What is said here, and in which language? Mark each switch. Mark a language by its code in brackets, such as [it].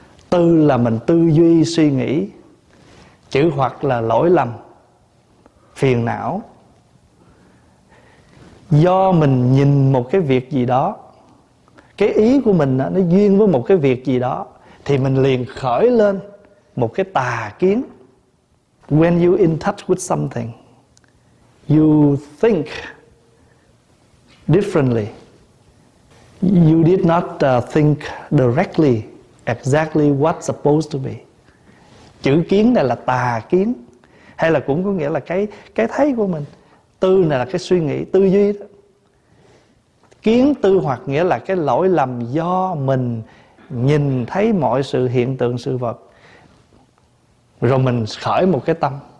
[vi] Tư là mình tư duy suy nghĩ. Chữ hoặc là lỗi lầm, phiền não. Do mình nhìn một cái việc gì đó, cái ý của mình nó duyên với một cái việc gì đó, thì mình liền khởi lên một cái tà kiến. [en] When you in touch with something, you think differently. You did not think directly exactly what's supposed to be. [vi] Chữ kiến này là tà kiến, hay là cũng có nghĩa là cái thấy của mình. Tư này là cái suy nghĩ, tư duy đó. Kiến tư hoặc nghĩa là cái lỗi lầm do mình nhìn thấy mọi sự hiện tượng sự vật, rồi mình khởi một cái tâm.